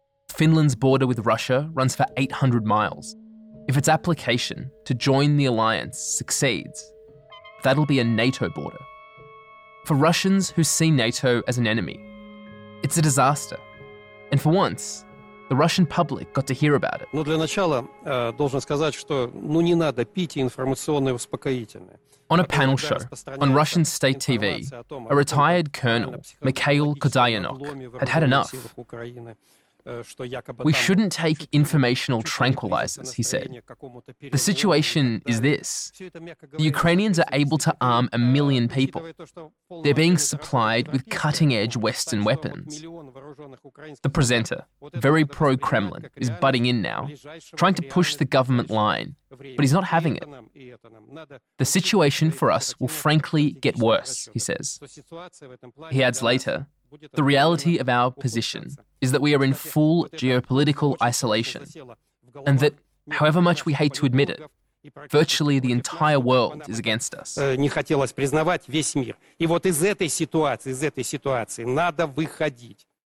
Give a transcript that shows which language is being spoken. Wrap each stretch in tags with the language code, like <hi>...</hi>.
<en>Finland's border with Russia runs for 800 miles. If its application to join the alliance succeeds, that'll be a NATO border. For Russians who see NATO as an enemy, it's a disaster. And for once, the Russian public got to hear about it.</en> <ru>Ну для начала должен сказать, что ну не надо пить информационные успокоительные.</ru> <en>On a panel show on Russian state TV, a retired colonel, Mikhail Kodayanok, had had enough. We shouldn't take informational tranquilizers, he said. The situation is this. The Ukrainians are able to arm 1 million people. They're being supplied with cutting-edge Western weapons. The presenter, very pro-Kremlin, is butting in now, trying to push the government line, but he's not having it. The situation for us will frankly get worse, he says. He adds later, the reality of our position is that we are in full geopolitical isolation, and that, however much we hate to admit it, Virtually the entire world is against us.</en> <ru>Не хотелось признавать весь мир. И вот из этой ситуации надо выходить.</ru>